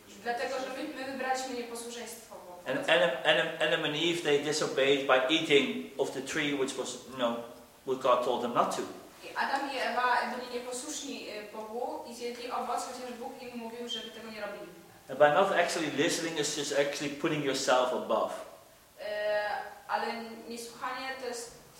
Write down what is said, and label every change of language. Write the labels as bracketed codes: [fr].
[pl] Dlatego, że my wybraliśmy nieposłuszeństwo. [en] And Adam and Eve, they disobeyed by eating of the tree which was, you know, what God told them not to. [pl] Adam i Ewa byli nieposłuszni Bogu i zjedli owoc, chociaż Bóg im mówił, żeby tego nie robili. [en] And by not actually listening is just actually putting yourself above. [pl] Ale niesłuchanie to jest...